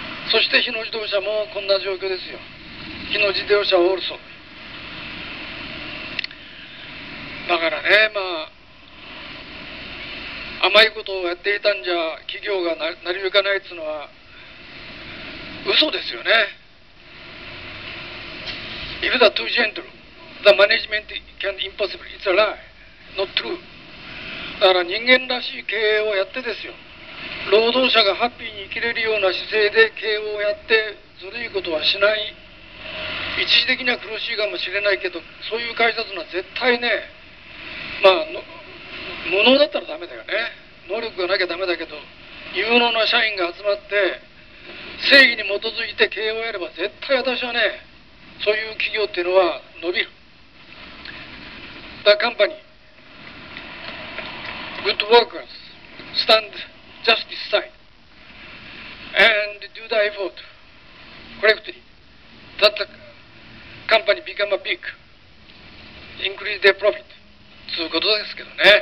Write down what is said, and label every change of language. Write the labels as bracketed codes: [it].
[ja] そして日野自動車もこんな状況ですよ。日野自動車オールソン。だからね、まあ甘いことをやっていたんじゃ企業が成り行かないっていうのは嘘ですよね。 [en] If the two gentlemen, the management can impossible, it's a lie, not true. [ja] だから人間らしい経営をやってですよ。労働者がハッピーに生きれるような姿勢で経営をやってずるいことはしない。一時的には苦しいかもしれないけど、そういう会社というのは絶対ね、まあ無能だったらダメだよね。能力がなきゃダメだけど、有能な社員が集まって正義に基づいて経営をやれば絶対私はね、そういう企業っていうのは伸びる。 [en] The company good workers standJustice side and do the effort correctly that the company become a big increase their profit [ja] つうことですけどね。